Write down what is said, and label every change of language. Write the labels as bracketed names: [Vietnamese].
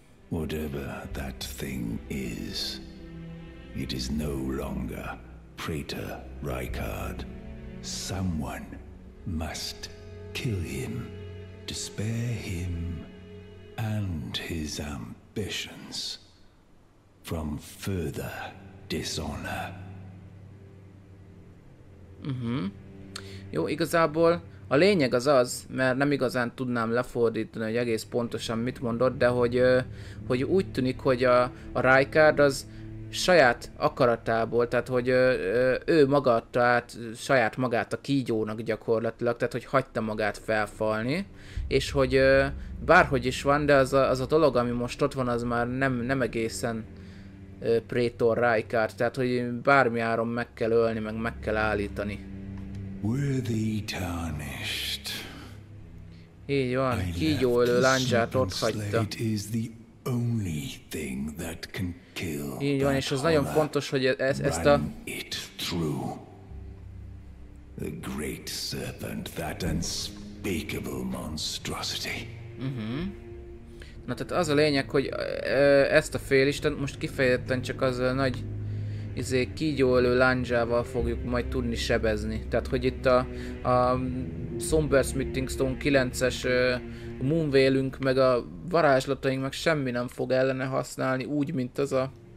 [English] Whatever that thing is, it is no longer Praetor Rykard. Someone must kill him to spare him and his ambitions from further dishonor. [Hungarian] Jó, igazából a lényeg az az, mert nem igazán tudnám lefordítani, hogy egész pontosan mit mondott, de hogy úgy tűnik, hogy a Rykard az saját akaratából, tehát hogy ő maga adta át saját magát a kígyónak gyakorlatilag, tehát hogy hagyta magát felfalni, és hogy bárhogy is van, de az a dolog, ami most ott van, az már nem egészen Praetor Rykard, tehát hogy bármi áron meg kell ölni, meg meg kell állítani. [English] Worthy tarnished. [Hungarian] Így van, kígyó ölő lándzsát ott hagyta. [English] Only thing that can kill. [Hungarian] Így van, és az nagyon fontos, hogy ezt a... [English] It through. The great serpent, that unspeakable monstrosity. [Hungarian] Na tehát az a lényeg, hogy ezt a félisten most kifejezetten csak az a nagy kígyóölő lándzsával fogjuk majd tudni sebezni. Tehát, hogy itt a Sombersmithing Stone 9-es Moonveilünk, meg a varázslataink, meg semmi nem fog ellene használni, úgy, mint az a...